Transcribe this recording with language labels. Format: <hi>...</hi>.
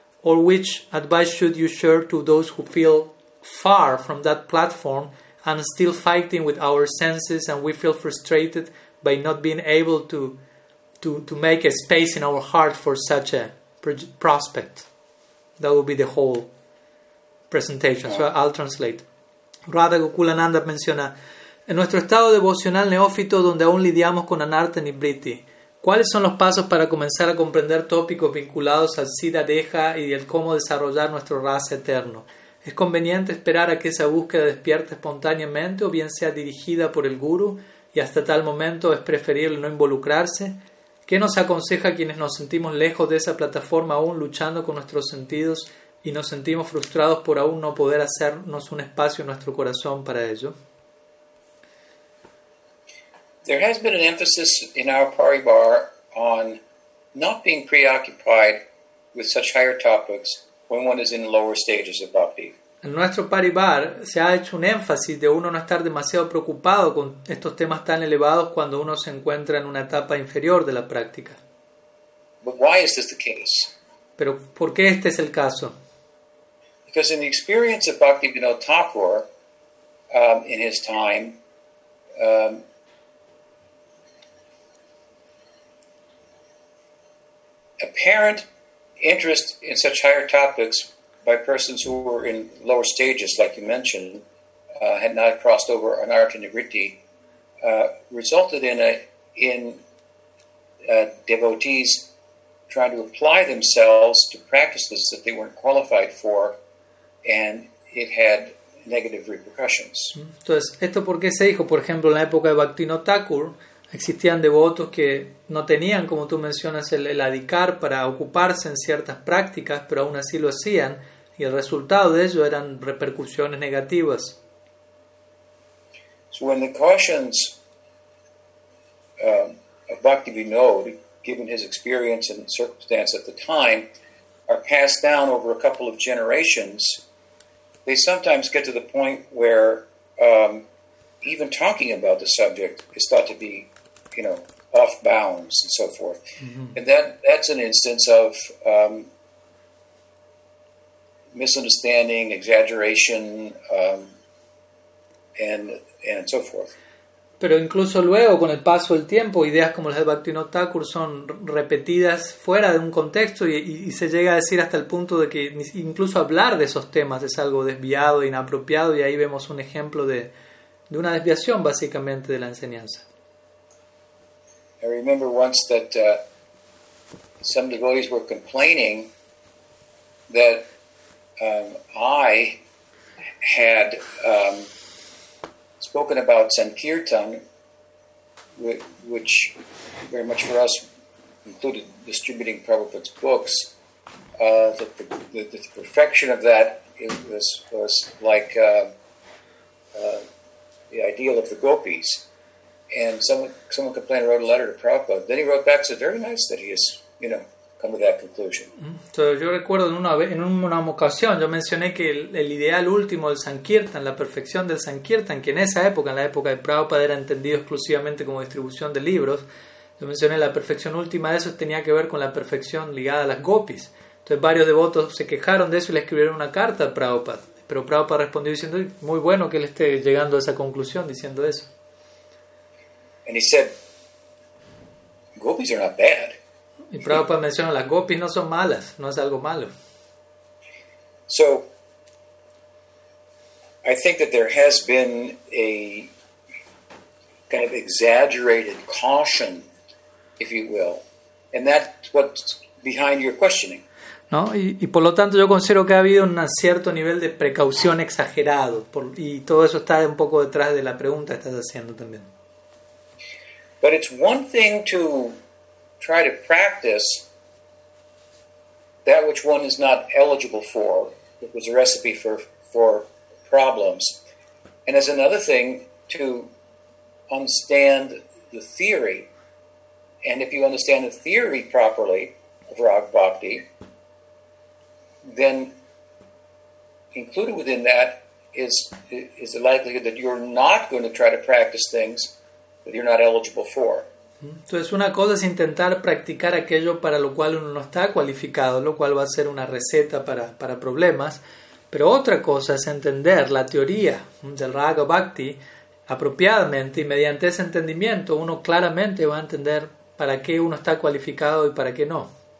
<en>Or which advice should you share to those who feel far from that platform and still fighting with our senses, and we feel frustrated by not being able to make a space in our heart for such a prospect? That would be the whole presentation. So I'll translate.</en> <es>Radha Gokulananda menciona, en nuestro estado devocional neófito donde aún lidiamos con Anartha Nibriti, ¿cuáles son los pasos para comenzar a comprender tópicos vinculados al Siddha Deha y el cómo desarrollar nuestro rasa eterno? ¿Es conveniente esperar a que esa búsqueda despierte espontáneamente o bien sea dirigida por el Guru y hasta tal momento es preferible no involucrarse? ¿Qué nos aconseja a quienes nos sentimos lejos de esa plataforma aún luchando con nuestros sentidos y nos sentimos frustrados por aún no poder hacernos un espacio en nuestro corazón para ello?</es> <en>There has been an emphasis in our Parivar on not being preoccupied with such higher topics when one is in lower stages of bhakti.</en> <es>En nuestro Parivar se ha hecho un énfasis de uno no estar demasiado preocupado con estos temas tan elevados cuando uno se encuentra en una etapa inferior de la práctica.</es> <en>But why is this the case?</en> <es>Pero ¿por qué este es el caso?</es> <en>Because in the experience of Bhaktivinoda Thakur, in his time, apparent interest in such higher topics by persons who were in lower stages, like you mentioned, had not crossed over Anartha Nibriti, resulted in devotees trying to apply themselves to practices that they weren't qualified for, and it had negative repercussions.</en> <es>Entonces, ¿esto por qué se dijo? Por ejemplo, en la época de Bhaktivinoda Thakur, existían devotos que no tenían, como tú mencionas, el adicar para ocuparse en ciertas prácticas, pero aún así lo hacían, y el resultado de ello eran repercusiones negativas.</es> <en>So when the cautions of Bhaktivinoda, given his experience and circumstance at the time, are passed down over a couple of generations, they sometimes get to the point where even talking about the subject is thought to be, you know, off bounds and so forth. Mm-hmm. And that's an instance of misunderstanding, exaggeration, and so forth.</en> <es>Pero incluso luego, con el paso del tiempo, ideas como las de Bhaktivinoda Thakur son repetidas fuera de un contexto y se llega a decir hasta el punto de que incluso hablar de esos temas es algo desviado, inapropiado, y ahí vemos un ejemplo de una desviación, básicamente, de la enseñanza.</es> <en>I remember once that some devotees were complaining that I had spoken about Sankirtan, which very much for us included distributing Prabhupada's books, the perfection of that was like the ideal of the gopis. And someone complained and wrote a letter to Prabhupada. Then he wrote back, said, very nice that he has, you know, come to that conclusion.</en> <es>So, yo recuerdo en una ocasión, yo mencioné que el ideal último del Sankirtan, la perfección del Sankirtan, que en esa época, en la época de Prabhupada, era entendido exclusivamente como distribución de libros, yo mencioné la perfección última de eso tenía que ver con la perfección ligada a las gopis. Entonces, varios devotos se quejaron de eso y le escribieron una carta a Prabhupada. Pero Prabhupada respondió diciendo, muy bueno que él esté llegando a esa conclusión diciendo eso.</es> <en>And he said, gopis are not bad.</en> <es>Y Prabhupada menciona, las gopis no son malas, no es algo malo.</es> <en>So, I think that there has been a kind of exaggerated caution, if you will. And that's what's behind your questioning.</en> <es>¿No? Y por lo tanto yo considero que ha habido un cierto nivel de precaución exagerado. Y todo eso está un poco detrás de la pregunta que estás haciendo también.</es> <en>But it's one thing to try to practice that which one is not eligible for. It was a recipe for problems. And it's another thing to understand the theory And if you understand the theory properly of Rag Bhakti, then included within that is the likelihood that you're not going to try to practice things that you're not eligible for.</en> <es>Entonces, una cosa es intentar practicar aquello para lo cual uno no está cualificado, lo cual va a ser una receta para problemas. Pero otra cosa es entender la teoría del Raga Bhakti apropiadamente, y mediante ese entendimiento uno claramente va a entender para qué uno está cualificado y para qué no.</es>